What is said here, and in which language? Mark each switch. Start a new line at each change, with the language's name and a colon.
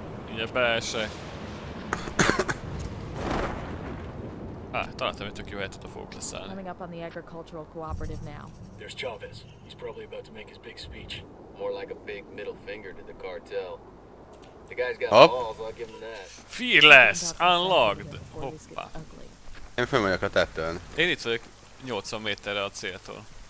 Hungarian: Ugye beesek. Találtam egy tök jó helyet, ott a fogok leszállni.
English: Coming up on the agricultural cooperative now. There's Chavez. He's probably about to make his big speech. More like a big middle finger to the cartel. The guy's got balls, I'll give him that. Fearless! Unlocked! Hoppá.
Hungarian: Én fel vagyok a tetőn. Én itt vagyok 80 méterre a céltól.